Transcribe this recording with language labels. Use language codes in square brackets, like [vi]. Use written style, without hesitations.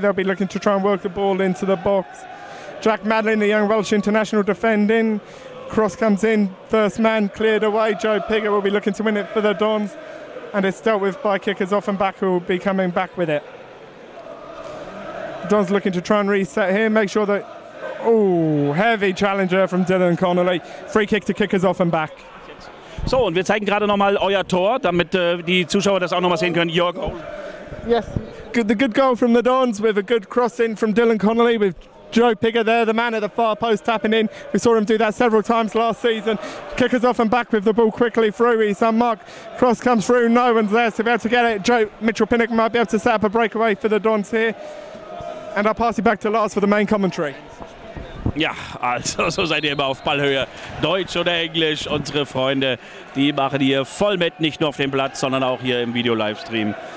[en] They'll be looking to try and work the ball into the box. Jack Madlin, the young Welsh international, defending. Cross comes in, first man cleared away. Joe Piggott will be looking to win it for the Dons. And it's dealt with by Kickers Off and Back, who will be coming back with it. Dons looking to try and reset here, make sure that... Oh, heavy challenger from Dylan Connolly. Free kick to Kickers Off and Back. [de] So, und wir zeigen gerade nochmal euer Tor, damit die Zuschauer das auch nochmal sehen können. [en] Your goal. Yes. The good goal from the Dons with a good cross in from Dylan Connolly with Joe Piggott there, the man at the far post tapping in. We saw him do that several times last season. Kickers Off and Back with the ball quickly through. He's unmarked. Cross comes through. No one's there to be able to get it. Joe Mitchell Pinnock might be able to set up a breakaway for the Dons here. And I'll pass it back to Lars for the main commentary. [de] Ja, also so seid ihr immer auf Ballhöhe. Deutsch oder Englisch, unsere Freunde, die machen hier voll mit, nicht nur auf dem Platz, sondern auch hier im Video-Livestream.